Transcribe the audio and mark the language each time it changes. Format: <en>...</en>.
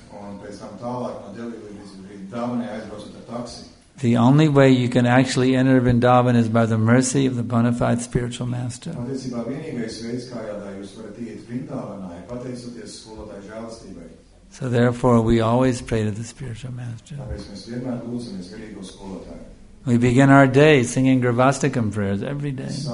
<lv>Un pēc tam tālāk no Delhi līdz Vrindavanai aizbraucot ar taksi.</lv> <en>The only way you can actually enter Vrindavan is by the mercy of the bona fide spiritual master.</en> <lv>Patiesībā vienīgais veids, kā jādā jūs varat iet Vrindavanai, pateicoties skolotāju žēlstībai.</lv> <en>So therefore we always pray to the spiritual master.</en> <lv>Tāpēc mēs vienmēr lūdzamies garīgo skolotāju.</lv> <en>We begin our day singing Gravastakam prayers every day.</en>